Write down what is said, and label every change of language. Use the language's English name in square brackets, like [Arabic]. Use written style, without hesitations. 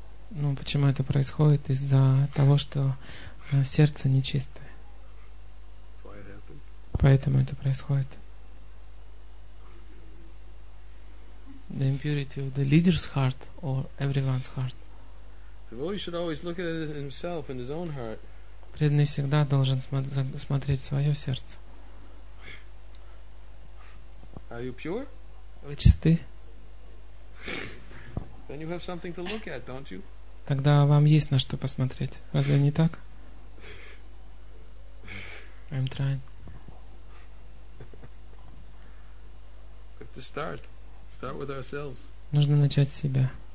[Russian] Ну, почему это происходит? Из-за того, что сердце нечистое. [English] Why it happens? [Russian] Поэтому это происходит. [English] The impurity of the leader's heart or everyone's heart. The devotee should always look at it himself in his own heart. [Russian] Преданный всегда должен смотреть в свое сердце. [English] Are you pure? [Russian] Вы чисты? [English] Then you have something to look at, don't you? [Russian] Тогда вам есть на что посмотреть. Разве не так? [English] I'm trying. Have to start. Start with ourselves. [Russian] Нужно начать с себя.